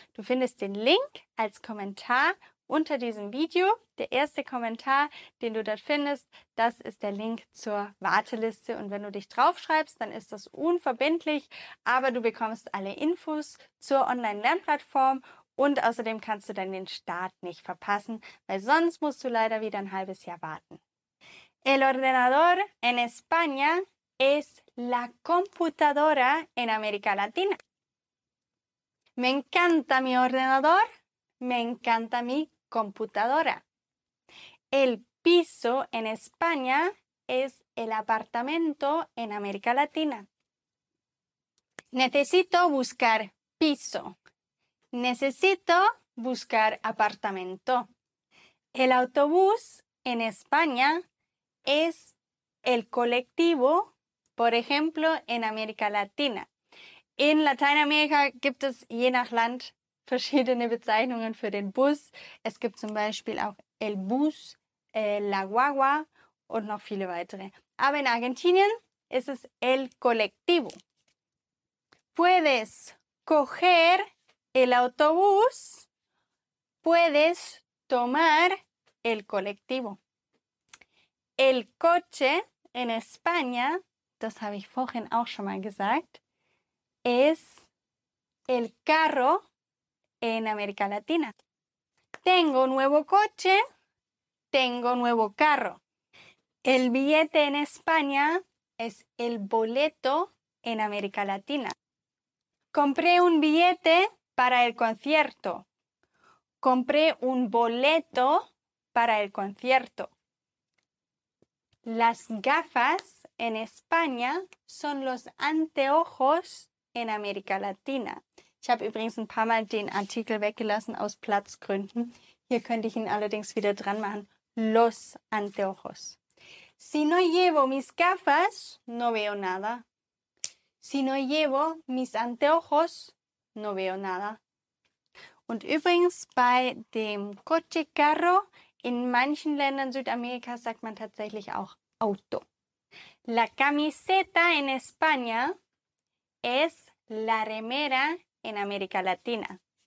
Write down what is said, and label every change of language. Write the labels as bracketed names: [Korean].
[German] Du findest den Link als Kommentar unter diesem Video, der erste Kommentar, den du dort findest, das ist der Link zur Warteliste. Und wenn du dich draufschreibst, dann ist das unverbindlich, aber du bekommst alle Infos zur Online-Lernplattform und außerdem kannst du dann den Start nicht verpassen, weil sonst musst du leider wieder ein halbes Jahr warten. [Spanish] El ordenador en España es la computadora en América Latina. Me encanta mi ordenador. Me encanta mi computadora. El piso en España es el apartamento en América Latina. Necesito buscar piso. Necesito buscar apartamento. El autobús en España es el colectivo, por ejemplo, en América Latina. [German] En Lateinamérica gibt es je nach Land verschiedene Bezeichnungen für den Bus. Es gibt zum Beispiel auch el bus, la guagua und noch viele weitere. Aber in Argentinien ist es el colectivo. [Spanish] Puedes coger el autobús. Puedes tomar el colectivo. El coche en España, [German] das habe ich vorhin auch schon mal gesagt, es [Spanish] el carro en América Latina. Tengo nuevo coche, tengo nuevo carro. El billete en España es el boleto en América Latina. Compré un billete para el concierto. Compré un boleto para el concierto. Las gafas en España son los anteojos en América Latina. [German] Ich habe übrigens ein paar Mal den Artikel weggelassen aus Platzgründen. Hier könnte ich ihn allerdings wieder dran machen. [Spanish] Los anteojos. Si no llevo mis gafas, no veo nada. Si no llevo mis anteojos, no veo nada. [German] Und übrigens bei dem coche carro, in manchen Ländern Südamerikas sagt man tatsächlich auch Auto. [Spanish] La camiseta en España es la remera en América Latina.